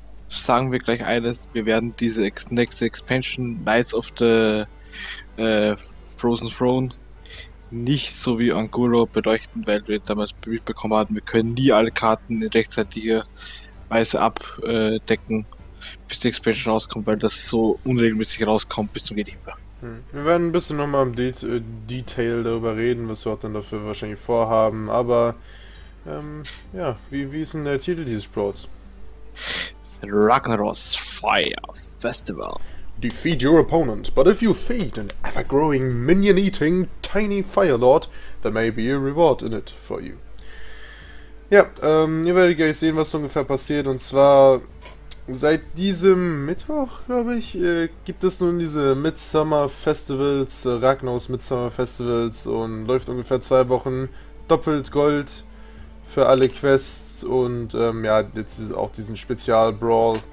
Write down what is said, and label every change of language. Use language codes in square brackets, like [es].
[de] Sagen wir gleich eines, wir werden diese ex nächste Expansion Knights of the Frozen Throne nicht so wie Angulo beleuchten, weil wir damals mitbekommen hatten, wir können nie alle Karten in rechtzeitiger Weise abdecken, bis die Expansion rauskommt, weil das so unregelmäßig rauskommt bis zum Gehtnichtmehr. Wir werden ein bisschen nochmal im Detail darüber reden, was wir auch dann dafür wahrscheinlich vorhaben, aber ja, wie ist denn der Titel dieses Sports? [en] Ragnaros Fire Festival. Defeat your opponent, but if you feed an ever-growing minion-eating tiny Fire Lord, there may be a reward in it for you. [de] Ja, ihr werdet gleich sehen, was ungefähr passiert, und zwar. Seit diesem Mittwoch, glaube ich, gibt es nun diese Midsummer Festivals, Ragnaros Midsummer Festivals, und läuft ungefähr 2 Wochen. Doppelt Gold für alle Quests und ja, jetzt auch diesen Spezial-Brawl.